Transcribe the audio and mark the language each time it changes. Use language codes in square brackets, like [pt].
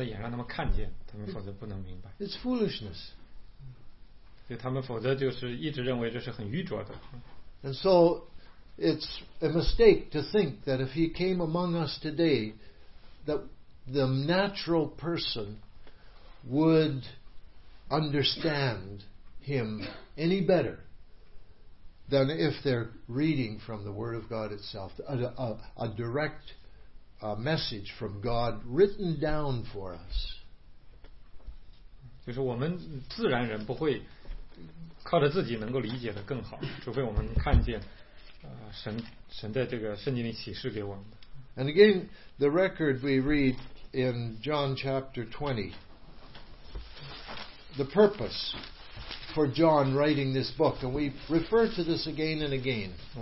[zh] 除非神的圣灵启示他们，让他们开他们的眼，让他们看见，他们否则不能明白。 [en] It's foolishness. [zh] 所以他们否则就是一直认为这是很愚拙的。 [en] And so it's a mistake to think that if he came among us today, that the natural person would understand him any better than if they're reading from the Word of God itself, a direct message from God written down for us. [zh] 就是我们自然人不会靠着自己能够理解的更好，除非我们看见神在这个圣经里启示给我们的。 [en] And again, the record we read in John chapter 20, the purpose for John writing this book, and we refer to this again and again.